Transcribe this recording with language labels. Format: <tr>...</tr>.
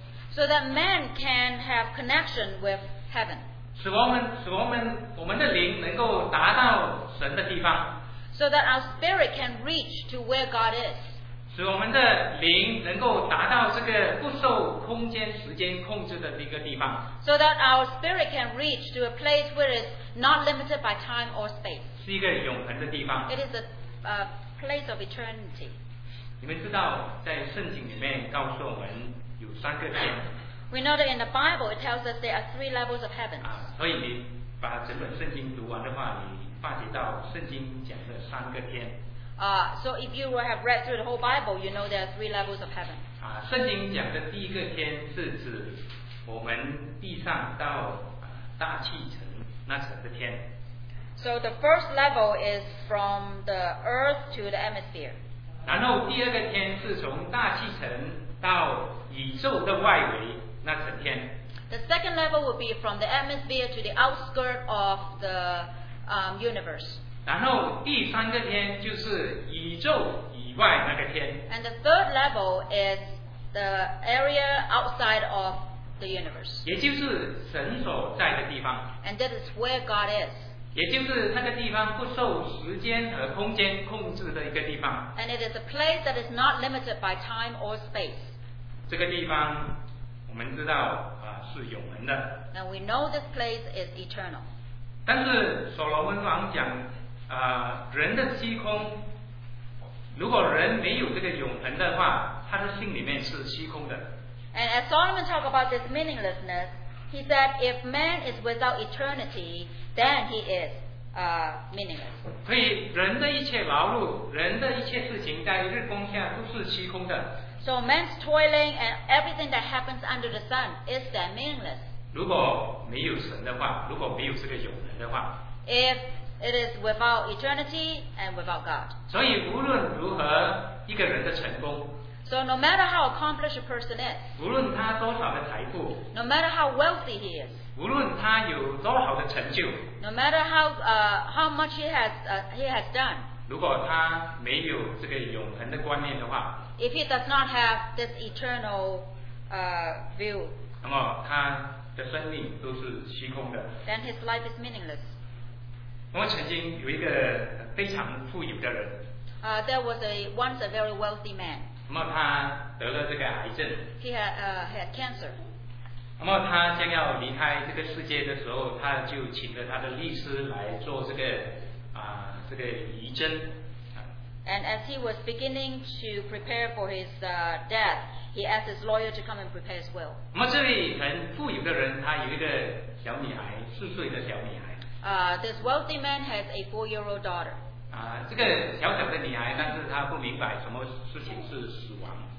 <en>So that man can have connection with heaven.</en> <zh>使我们的灵能够达到神的地方。</zh> <en>So that our spirit can reach to where God is.</en> <zh>使我们的灵能够达到这个不受空间时间控制的一个地方。</zh> <en>So that our spirit can reach to a place where it's not limited by time or space.</en> <zh>是一个永恒的地方。</zh> <en>It is a place of eternity.</en> <zh>你们知道，在圣经里面告诉我们有三个天。</zh> <en>We know that in the Bible it tells us there are three levels of heavens.</en> <zh>所以你把整本圣经读完的话，你发觉到圣经讲的三个天。</zh> <en>So if you have read through the whole Bible, you know there are three levels of heaven.</en> <zh>圣经讲的第一个天是指我们地上到大气层那层的天。</zh> <en>So the first level is from the earth to the atmosphere.</en> <zh>然后第二个天是从大气层到宇宙的外围那层天。</zh> <en>The second level will be from the atmosphere to the outskirts of the universe.</en> <zh>然后第三个天就是宇宙以外那个天。</zh> <en>And the third level is the area outside of the universe.</en> <zh>也就是神所在的地方。</zh> <en>And that is where God is.</en> <zh>也就是那个地方不受时间和空间控制的一个地方。</zh> <en>And it is a place that is not limited by time or space.</en> <zh>这个地方我们知道是永恒的。</zh> <en>And we know this place is eternal.</en> <zh>但是所罗门王讲人的虚空，如果人没有这个永恒的话，他的心里面是虚空的。</zh> <en>And as Solomon talked about this meaninglessness, he said if man is without eternity, then he is meaningless.</en> <zh>所以人的一切劳碌，人的一切事情在日光下都是虚空的。</zh> <en>So man's toiling and everything that happens under the sun is then meaningless.</en> <zh>如果没有神的话，如果没有这个永恒的话</zh> <en>，if it is without eternity and without God.</en> <zh>所以无论如何，一个人的成功。</zh> <en>So no matter how accomplished a person is,</en> <zh>无论他多少的财富,</zh> <en>no matter how wealthy he is,</en> <zh>无论他有多好的成就,</zh> <en>no matter how much he has done,</en> <zh>如果他没有这个永恒的观念的话,</zh> <en>if he does not have this eternal view,</en> <zh>那么他的生命都是虚空的,</zh> <en>then his life is meaningless.</en> <zh>我曾经有一个非常富有的人,</zh> <en>there was once a very wealthy man.</en> <zh>那么他得了这个癌症</zh> <en>He had cancer.</en> <zh>那么他将要离开这个世界的时候，他就请了他的律师来做这个这个遗赠。</zh> <en>And as he was beginning to prepare for his death, he asked his lawyer to come and prepare his will.</en> <zh>那么这位很富有的人，他有一个小女孩，四岁的小女孩。</zh> <en>This wealthy man has a four-year-old daughter.</en> <zh>这个小小的女孩，但是她不明白什么事情是死亡。</zh>